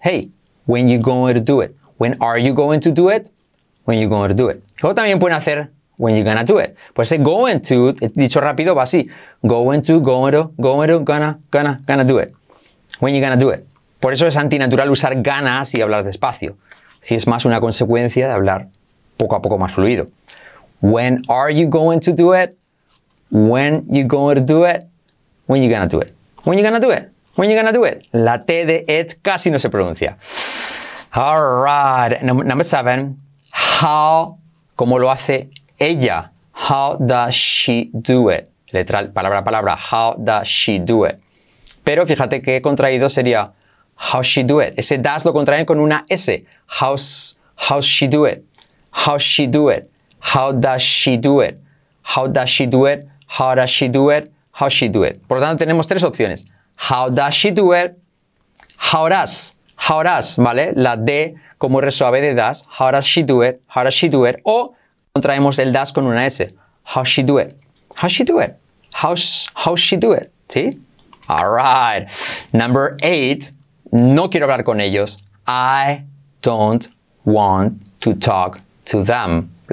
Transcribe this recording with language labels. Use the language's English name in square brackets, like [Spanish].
[English] Hey, when you going to do it? When are you going to do it? When you going to do it? [Spanish] O también pueden hacer [English] when you gonna do it. [Spanish] Pues ese [English] going to, [Spanish] dicho rápido, va así. [English] Going to, going to, gonna do it. When you gonna do it. [Spanish] Por eso es antinatural usar gonna si hablas despacio. Si es más una consecuencia de hablar poco a poco más fluido. [English] When are you going to do it? When you going to do it? When you gonna do it? When you gonna do it? When you gonna do it? [Spanish] La T de it casi no se pronuncia. [English] All right. Number 7. How, [Spanish] ¿cómo lo hace ella? [English] How does she do it? [Spanish] Letra, palabra a palabra. [English] How does she do it? [Spanish] Pero fíjate que contraído sería [English] how she do it. [Spanish] Ese [English] does [Spanish] lo contraen con una S. [English] How's she do it? How she do it? How does she do it? How does she do it? How does she do it? How she do it? [Spanish] Por lo tanto, tenemos tres opciones. [English] How does she do it? How does? How does? [Spanish] ¿Vale? La D como R suave de does. [English] How does she do it? How does she do it? [Spanish] O contraemos el does con una S. [English] How she do it? How she do it? How's she do it? [Spanish] ¿Sí? [English] All right. Number 8. [Spanish] No quiero hablar con ellos. [English] I don't want to talk to them.